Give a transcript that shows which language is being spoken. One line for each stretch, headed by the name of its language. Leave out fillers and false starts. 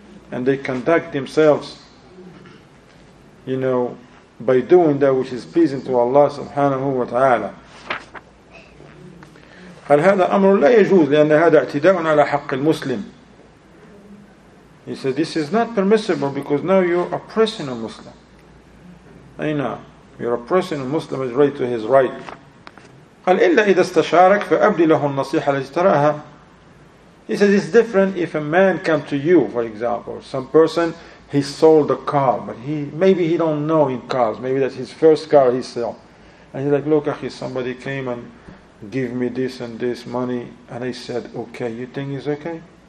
English: And they conduct themselves, you know, by doing that which is pleasing to Allah subhanahu wa ta'ala.
Arabic: فَالْهَذَا أَمْرٌ لَا يَجُوزْ لِأَنَّ هَذَا اَعْتِدَاءٌ عَلَى حَقِّ الْمُسْلِمِ.
English: He said, this is not permissible because now you're oppressing a Muslim. Aina, you're oppressing a Muslim is right to his right.
Arabic: قال إلا إذا استشارك فأبدي له النصيحة التي تراها.
English: He says, it's different if a man come to you, for example, some person, he sold a car, but he maybe he don't know in cars, maybe that's his first car he sell. And he's like, look, Akhi, somebody came and give me this and this money, and I said, okay, you think it's okay?